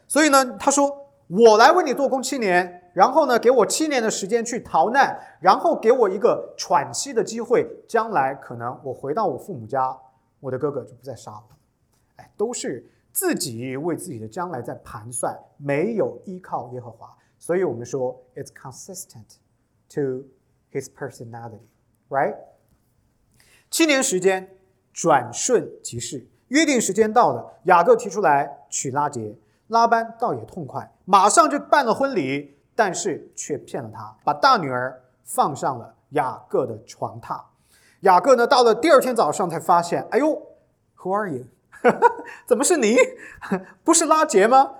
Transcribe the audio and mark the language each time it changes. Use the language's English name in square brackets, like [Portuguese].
[Chinese] 所以呢，他说我来为你做工七年，然后呢，给我七年的时间去逃难，然后给我一个喘息的机会，将来可能我回到我父母家，我的哥哥就不再杀我了。哎，都是自己为自己的将来在盘算，没有依靠耶和华。所以我们说 [English] It's consistent to his personality， right？ [Chinese] 七年时间转瞬即逝，约定时间到了，雅各提出来娶拉结，拉班倒也痛快，马上就办了婚礼，但是却骗了他，把大女儿放上了雅各的床榻。雅各呢，到了第二天早上才发现，哎呦 ， [English] Who are you？ [Chinese] 怎么是你？不是拉结吗？